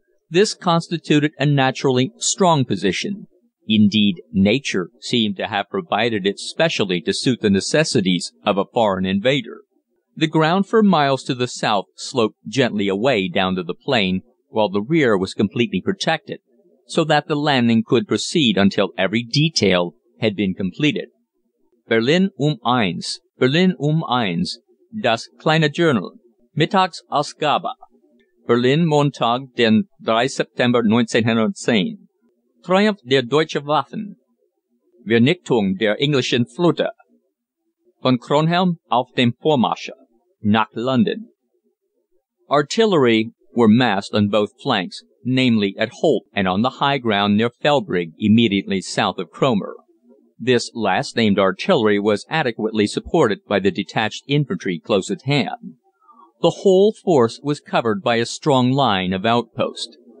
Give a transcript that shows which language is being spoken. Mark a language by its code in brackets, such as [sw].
[en] This constituted a naturally strong position. Indeed, nature seemed to have provided it specially to suit the necessities of a foreign invader. The ground for miles to the south sloped gently away down to the plain, while the rear was completely protected, so that the landing could proceed until every detail had been completed. [de] Berlin um eins, das kleine Journal, Mittagsausgabe, Berlin Montag, den 3. September 1910, Triumph der deutschen Waffen, Vernichtung der englischen Flotte, von Kronhelm auf dem Vormarsche, nach London. [en] Artillery were massed on both flanks, namely at Holt and on the high ground near Felbrigg, immediately south of Cromer. This last-named artillery was adequately supported by the detached infantry close at hand. The whole force was covered by a strong line of outposts.